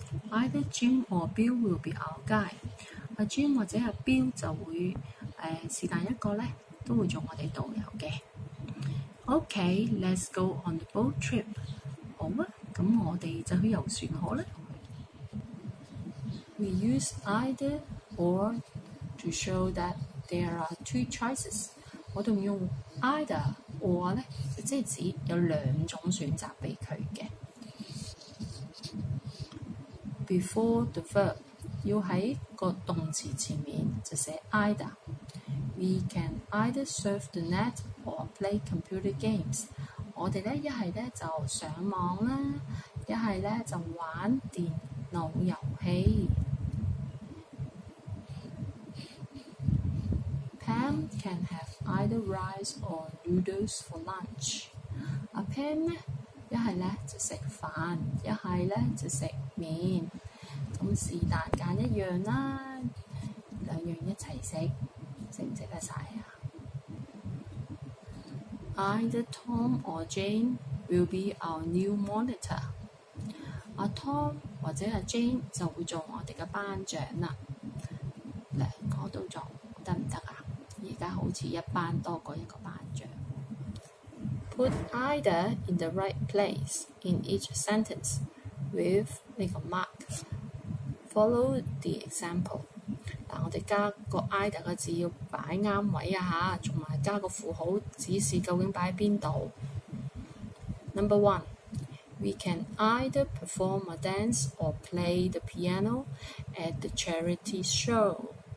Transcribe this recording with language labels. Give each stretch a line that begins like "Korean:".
English: Either Jim or Bill will be our guide。
Cantonese: 阿 Jim 或者阿 Bill 就會是但一個咧。都會做我們導遊的。
English: OK, let's go on the boat trip.
Cantonese: 好啊，那我們就去遊船河吧。
English: We use either or to show that there are two choices.
Cantonese: 我們用 either or 呢，就是指有兩種選擇給他的。
English: Before the verb,
Cantonese: 要在個動詞前面就寫 either。
English: We can either surf the net or play computer games.
Cantonese: 我們呢一是呢就上網啦，一是呢就玩電腦遊戲。
English: Pam can have either rice or noodles for lunch.
Cantonese: Pam 呢一是呢就吃飯，一是呢就吃麵，咁是但揀一樣啦，兩樣一起吃，值唔值得曬啊 ？
English: Either Tom or Jane will be our new monitor.
Cantonese: 阿 Tom 或者阿 Jane 就會做我哋嘅班長啦。兩個都做得唔得啊？而家好似一班多過一個班長。
English: Put either in the right place in each sentence with
Cantonese: 呢個
English: mark. Follow the example.
Cantonese: 我哋加個 either 個字要擺啱位啊嚇，同埋加個符號指示究竟擺喺邊度。
English: Number one, we can either perform a dance or play the piano at the charity show。